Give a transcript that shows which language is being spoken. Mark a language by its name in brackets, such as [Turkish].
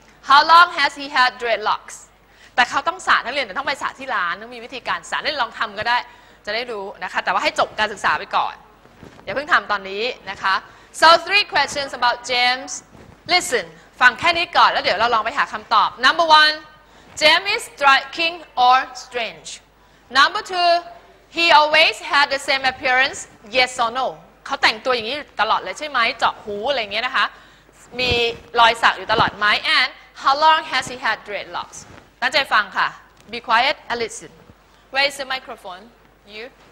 [English] How long has he had dreadlocks? [Thai] แต่เขาต้องสระนักเรียนแต่ต้องไปสระที่ร้านต้องมีวิธีการสระได้ลองทำก็ได้จะได้รู้นะคะแต่ว่าให้จบการศึกษาไปก่อนอย่าเพิ่งทำตอนนี้นะคะ [English] So three questions about James. [Thai] Listen, ฟังแค่นี้ก่อนแล้วเดี๋ยวเราลองไปหาคำตอบ [English] Number oneJam is striking or strange. Number two, he always had the same appearance. Yes or no? [Thai] เขาแต่งตัวอย่างนี้ตลอดเลยใช่ไหมเจาะหูอะไรเงี้ยนะคะมีรอยสักอยู่ตลอดไหม [English] And how long has he had dreadlocks? [Thai] ตั้งใจฟังค่ะ [English] Be quiet and listen. Where is the microphone? You.